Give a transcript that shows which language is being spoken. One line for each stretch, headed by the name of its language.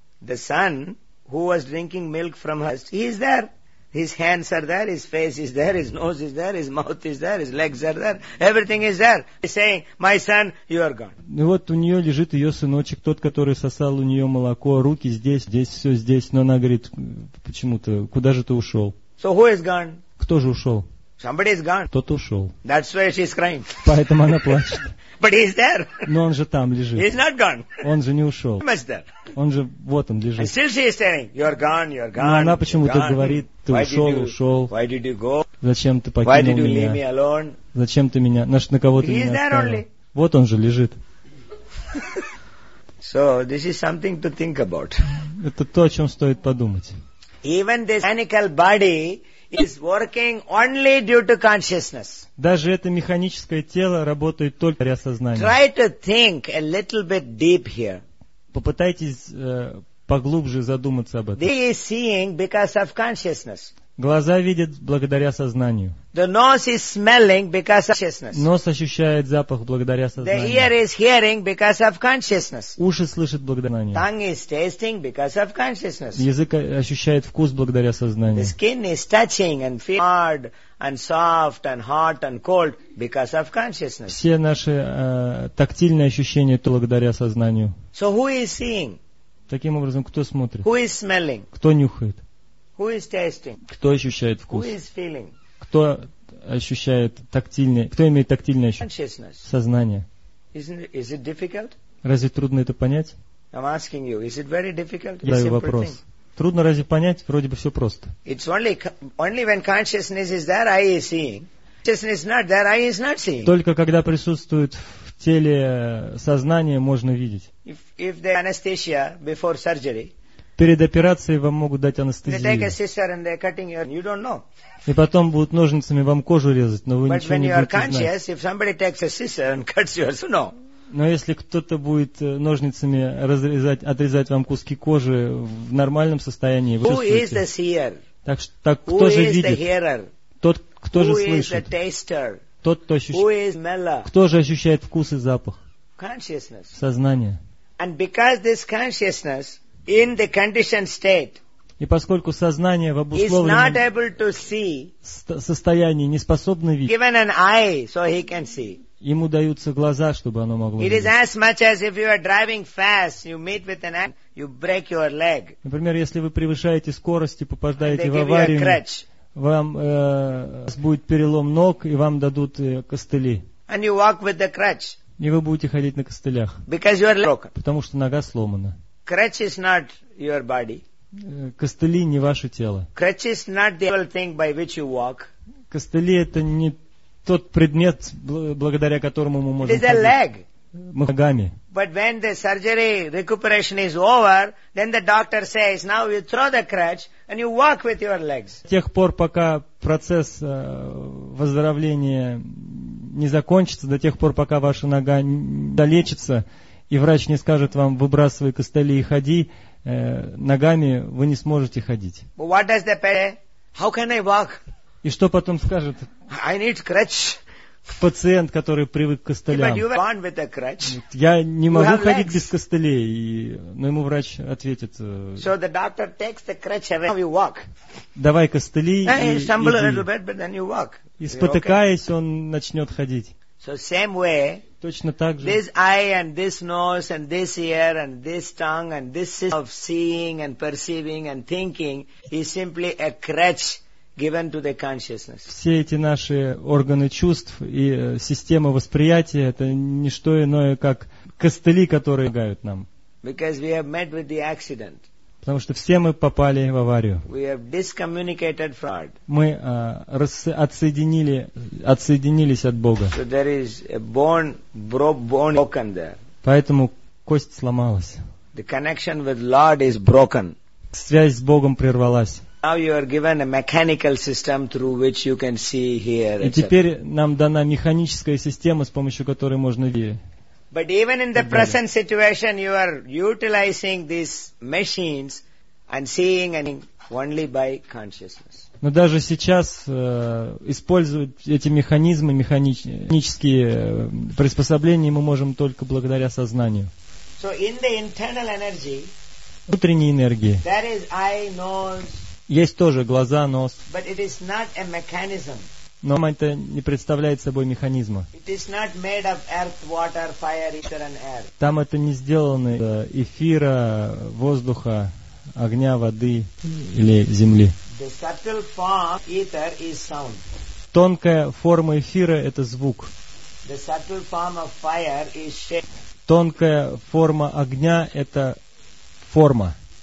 English: The son who was drinking milk from her, he is there. His hands are there, his face is there, his nose is there, his mouth is there, his legs are there. Everything is there. He's saying, my son, you are gone.
Russian: Ну вот у нее лежит ее сыночек, тот, который сосал у нее молоко, руки здесь, здесь, все здесь. Но она говорит, почему-то, куда же ты ушел?
English: So who is gone?
Russian: Кто же ушел?
English: Somebody is gone.
Russian: Тот ушел.
English: That's why she's crying.
Russian: Поэтому она плачет.
English: But he's there.
Russian: Но он же там лежит.
English: He's not gone.
Russian: Он же не ушел.
English: He's there.
Russian: Он же вот он лежит.
English: And still she is saying, you're gone, you're gone.
Russian: Но она почему-то говорит, ты ушел.
English: Why did you go?
Russian: Зачем ты покинул меня?
English: Why did you leave me alone?
Russian: Зачем ты меня? Значит, на кого ты меня оставил?
English: He's there only.
Russian: Вот он же лежит.
English: So this is something to think about.
Russian: Это то, о чем стоит подумать.
English: Even this mechanical body is working only due to consciousness.
Russian: Даже это механическое тело работает только при осознании.
English: Try to think a little bit deep here.
Russian: Попытайтесь поглубже задуматься об этом.
English: They are seeing because of consciousness.
Russian: Глаза видят благодаря сознанию.
English: The nose is smelling because of consciousness.
Russian: Нос ощущает запах благодаря сознанию.
English: The ear is hearing because of consciousness.
Russian: Уши слышат благодаря сознанию.
English: Tongue is tasting because of consciousness.
Russian: Язык ощущает вкус благодаря сознанию.
English: The skin is touching and feeling hard and soft and hot and cold because of consciousness.
Russian: Все наши тактильные ощущения то благодаря сознанию.
English: So who is seeing?
Russian: Таким образом, кто смотрит?
English: Who is smelling?
Russian: Кто нюхает?
English: Who is tasting?
Russian: Кто ощущает вкус?
English: Who is feeling?
Russian: Кто ощущает тактильное? Кто имеет тактильное ощущение? Сознание.
English: Is it difficult?
Russian: Разве трудно это понять?
English: I'm asking you, is it very difficult?
Russian: Задаю вопрос. Трудно разве понять? Вроде бы все просто.
English: It's only when consciousness is there, eye is seeing. Consciousness is not there, eye is not seeing.
Russian: Только когда присутствует в теле сознание, можно видеть.
English: If the anesthesia before surgery.
Russian: Перед операцией вам могут дать анестезию. И потом будут ножницами вам кожу резать, но вы ничего не будете знать. Но если кто-то будет ножницами отрезать вам куски кожи в нормальном состоянии, вы чувствуете. Так кто же видит? Тот, кто же слышит? Тот, кто ощущает? Кто же ощущает вкус и запах? Сознание.
English: And because this consciousness in the conditioned state,
Russian: и поскольку сознание в обусловленном состоянии не способно видеть,
English: given an eye so he can see.
Russian: Ему даются глаза, чтобы оно могло видеть.
English: It is as much as if you are driving fast, you meet with an accident, you break your leg.
Russian: Например, если вы превышаете скорость и попадаете в аварию, вам будет перелом ног и вам дадут костыли.
English: And you walk with the crutch.
Russian: И вы будете ходить на костылях.
English: Because your leg broken.
Russian: Потому что нога сломана.
English: Crutch is not your body.
Russian: Костыли не ваше тело.
English: Crutch is not the actual thing by which you walk.
Russian: Костыли это не тот предмет, благодаря которому мы можем ходить.
English: It is a leg.
Russian: Мы ногами.
English: But when the surgery recuperation is over, then the doctor says, now you throw the crutch and you walk with your legs.
Russian: До тех пор, пока процесс выздоровления не закончится, до тех пор, пока ваша нога не долечится, и врач не скажет вам, выбрасывай костыли и ходи, ногами вы не сможете ходить.
English: What does the patient say? How can I walk?
Russian: И что потом скажет?
English: I need crutch.
Russian: Пациент, который привык к костылям.
English: But you were born with a crutch.
Russian: Я не могу ходить без костылей. Но ему врач ответит.
English: So the doctor takes the crutch away. Now you walk.
Russian: Давай костыли и
English: stumble a little bit, but then you walk.
Russian: И спотыкаясь, он начнет ходить.
English: So same way.
Russian: Точно так же.
English: This eye and this nose and this ear and this tongue and this system of seeing and perceiving and thinking is simply a crutch given to the consciousness.
Russian: Все эти наши органы чувств и система восприятия — это не что иное, как костыли, которые помогают нам.
English: Because we have met with the accident.
Russian: Потому что все мы попали в аварию.
English: We have discommunicated fraud.
Russian: Мы отсоединились от Бога.
English: So there is a bone, bone broken there.
Russian: Поэтому кость сломалась.
English: The connection with Lord is broken.
Russian: Связь с Богом прервалась.
English: Now you are given a mechanical system through which you can see here.
Russian: И теперь нам дана механическая система, с помощью которой можно видеть.
English: But even in the present situation, you are utilizing these machines and seeing anything only by consciousness.
Russian: Но даже сейчас использовать эти механизмы, механические приспособления мы можем только благодаря сознанию.
English: So in the internal energy,
Russian: внутренней энергии,
English: there is eye, nose.
Russian: Есть тоже глаза, нос.
English: But it is not a mechanism.
Russian: Но это не представляет собой механизма.
English: It is not made of earth, water, fire, ether and air.
Russian: Там это не сделано из эфира, воздуха, огня, воды или земли.
English: The subtle form of ether is sound.
Russian: Тонкая форма эфира – это звук.
English: The subtle form of fire is shape.
Russian: Тонкая форма огня – это форма.